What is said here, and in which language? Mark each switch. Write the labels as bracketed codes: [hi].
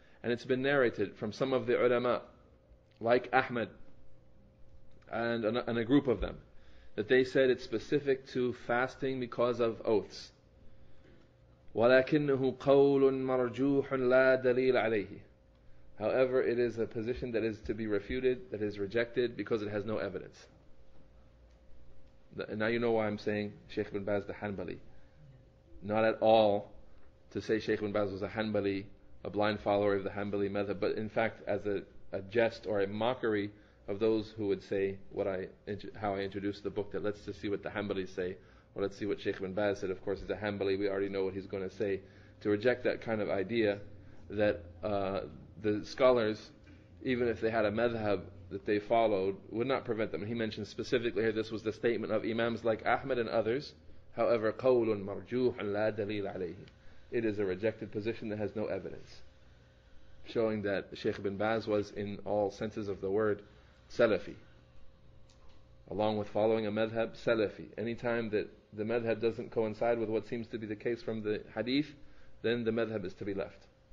[en] And it's been narrated from some of the ulama, like Ahmed and a group of them, that they said it's specific to fasting because of oaths. [ar] ولكنه قول مرجوح لا دليل عليه. [en] However, it is a position that is to be refuted, that is rejected, because it has no evidence. And now you know why I'm saying Sheikh Ibn Baz the Hanbali. Not at all to say Shaykh Ibn Baz was a Hanbali, a blind follower of the Hanbali method, but in fact as a jest or a mockery of those who would say how I introduced the book, that let's just see what the Hanbalis say, or let's see what Shaykh Ibn Baz said. Of course he's a Hanbali, we already know what he's going to say. To reject that kind of idea that the scholars, even if they had a madhab that they followed, would not prevent them. And he mentions specifically here, this was the statement of Imams like Ahmed and others. However, [ar] قَوْلٌ مَرْجُوحٌ لَا دَلِيلَ عَلَيْهِ. [en] It is a rejected position that has no evidence. Showing that Shaykh Ibn Baz was, in all senses of the word, Salafi. Along with following a madhab, Salafi. Anytime that the madhab doesn't coincide with what seems to be the case from the hadith, then the madhab is to be left.